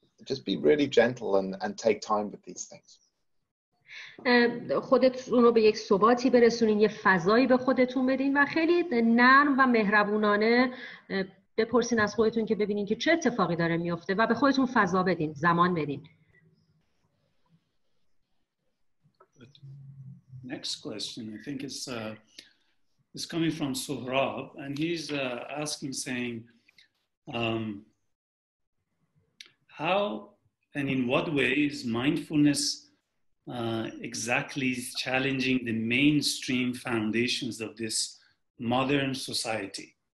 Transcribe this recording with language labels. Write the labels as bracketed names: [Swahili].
[English] Just be really gentle and take time with these things. [Persian] خودتون رو به یک ثباتی برسونین، یه فضایی به خودتون بدین و خیلی نرم و مهربونانه بپرسین از خودتون که ببینین که چه اتفاقی داره میفته و به خودتون فضا بدین، زمان بدین. [English] Next question, I think it's is coming from Sohrab, and he's asking, saying, how and in what way is mindfulness exactly challenging the mainstream foundations of this modern society?